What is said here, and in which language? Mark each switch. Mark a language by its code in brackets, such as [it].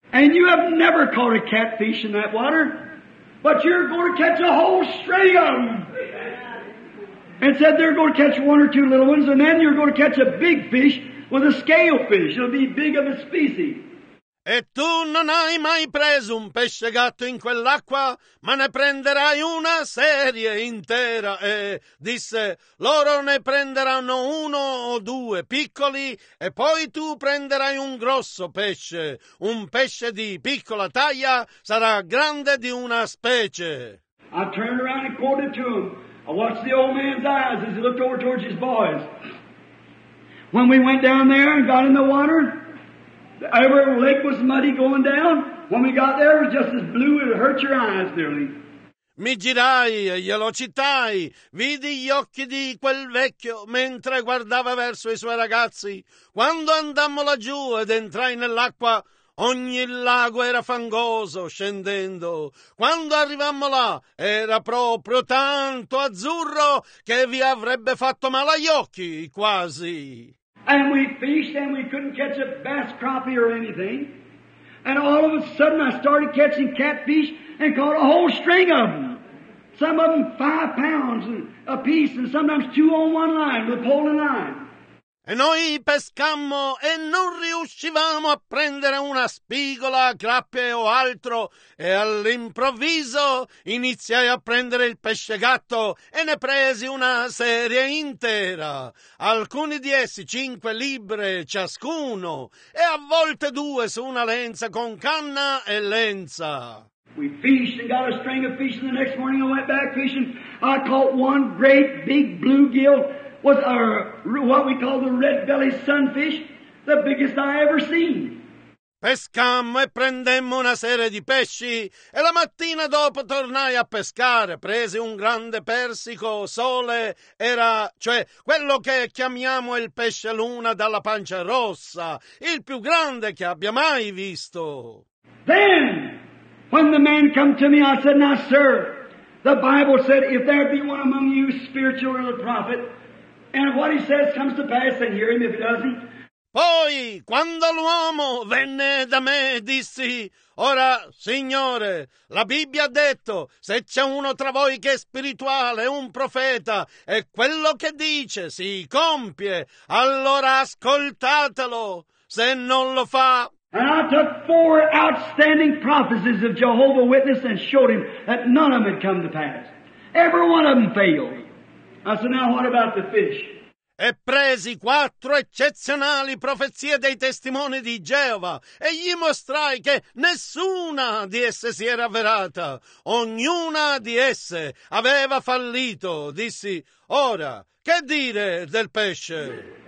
[en] And you have never caught a catfish in that water. But you're going to catch a whole string of them. And said they're going to catch one or two little ones, and then you're going to catch a big fish with a scale fish. It'll be big of a species. [it] E tu non hai mai preso un pesce gatto in quell'acqua, ma ne prenderai una serie intera. E disse, loro ne prenderanno uno o due piccoli, e poi tu prenderai un grosso pesce. Un pesce di piccola taglia sarà grande di una specie. [en] I turned around and quoted to him. I watched the old man's eyes as he looked over towards his boys. When we went down there and got in the water, every lake was muddy going down. When we got there, it was just as blue it hurt your eyes nearly. [it] Mi girai e glielo citai. Vidi gli occhi di quel vecchio mentre guardava verso i suoi ragazzi. Quando andammo laggiù ed entrai nell'acqua, ogni lago era fangoso scendendo. Quando arrivammo là, era proprio tanto azzurro che vi avrebbe fatto male agli occhi, quasi. [en] And we fished and we couldn't catch a bass crappie or anything. And all of a sudden I started catching catfish and caught a whole string of them. Some of them 5 pounds a piece and sometimes two on one line, the pole and line. [it] E noi pescammo e non riuscivamo a prendere una spigola, crappie o altro. E all'improvviso iniziai a prendere il pesce gatto e ne presi una serie intera. Alcuni di essi 5 libbre ciascuno e a volte 2 su una lenza con canna e lenza. [en] We fished and got a string of fish and the next morning I went back fishing. I caught one great big bluegill. Was our what we call the red-bellied sunfish, the biggest I ever seen. [it] Pescammo e prendemmo una serie di pesci e la mattina dopo tornai a pescare. Presi un grande persico sole, era cioè quello che chiamiamo il pesce luna dalla pancia rossa, il più grande che abbia mai visto. [en] Then, when the man come to me, I said, "Now, sir, the Bible said if there be one among you spiritual or a prophet." And what he says comes to pass, and hear him if it doesn't. [it] Poi, quando l'uomo venne da me, dissi, ora, Signore, la Bibbia ha detto, se c'è uno tra voi che è spirituale, un profeta, e quello che dice si compie, allora ascoltatelo, se non lo fa. [en] And I took 4 outstanding prophecies of Jehovah Witness and showed him that none of them had come to pass. Every one of them failed. I said, now what about the fish? [it] E presi 4 eccezionali profezie dei testimoni di Geova e gli mostrai che nessuna di esse si era avverata. Ognuna di esse aveva fallito. Dissi, ora, che dire del pesce?